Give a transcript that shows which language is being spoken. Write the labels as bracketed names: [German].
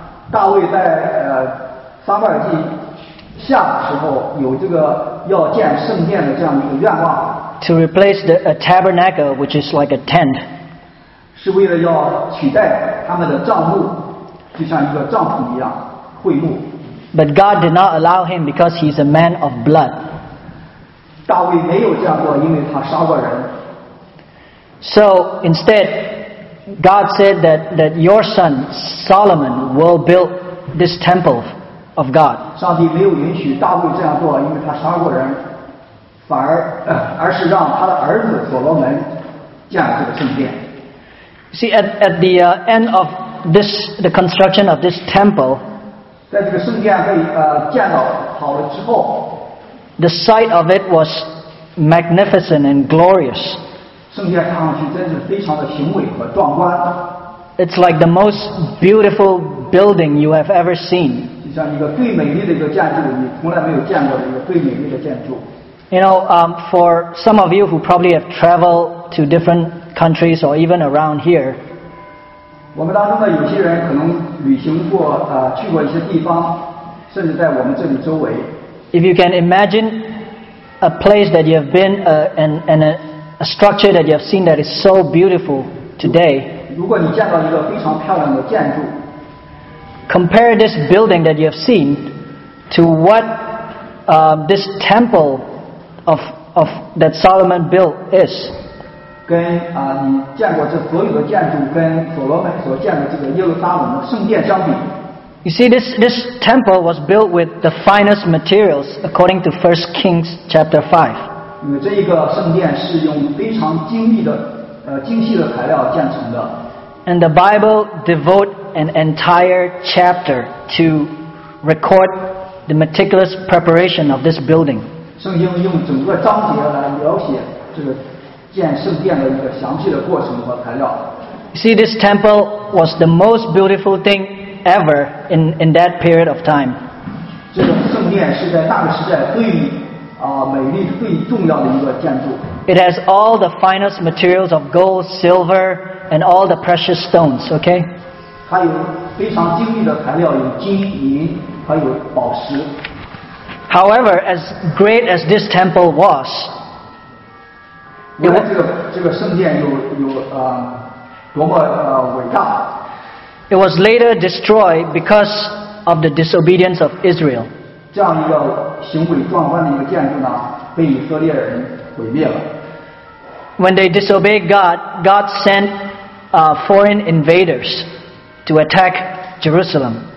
[Chinese] 大卫在撒母耳记下时候有这个要建圣殿的这样一个愿望。 [English] To replace a tabernacle, which is like a tent. [Chinese] 是为了要取代他们的帐幕，就像一个帐篷一样，会幕。 [English] But God did not allow him because he is a man of blood. [Chinese] 大卫没有这样过，因为他杀过人。 [English] So instead, God said that your son Solomon will build this temple of God. [Chinese] 上帝没有允许大卫这样过，因为他杀过人，反而是让他的儿子所罗门建这个圣殿。 [English] See, at the end of this, the construction of this temple. [Chinese] 在这个圣殿被建造好了之后， [English] the sight of it was magnificent and glorious. [Chinese] 圣殿看上去真是非常的雄伟和壮观。 [English] It's like the most beautiful building you have ever seen. [Chinese] 就像一个最美丽的一个建筑，你从来没有见过的一个最美丽的建筑。 [English] You know, for some of you who probably have traveled to different countries or even around here. [Chinese] 我们当中的有些人可能旅行过去过一些地方，甚至在我们这里周围。 [English] If you can imagine a place that you have been a structure that you have seen that is so beautiful today, [Chinese] 如果你见到一个非常漂亮的建筑， [English] compare this building that you have seen to what this temple of that Solomon built is. [Chinese] 跟你见过这所有的建筑，跟所罗门所建的这个耶路撒冷的圣殿相比， [English] You see, this temple was built with the finest materials, according to 1 Kings chapter 5. [Chinese] 因为这一个圣殿是用非常精密的精细的材料建成的。 [English] And the Bible devote an entire chapter to record the meticulous preparation of this building. [Chinese] 圣经用整个章节来描写这个。建圣殿的一个详细的过程和材料。 [English] You see, this temple was the most beautiful thing ever in that period of time. [Chinese] 这个圣殿是在大理时代最美丽最重要的一个建筑。 [English] It has all the finest materials of gold, silver, and all the precious stones. Okay. [Chinese] 它有非常精密的材料，有金银，还有宝石。 [English] However, as great as this temple was, it was later destroyed because of the disobedience of Israel. [Chinese] 这样一个雄伟壮观的一个建筑呢，被以色列人毁灭了。 [English] When they disobeyed God, God sent foreign invaders to attack Jerusalem.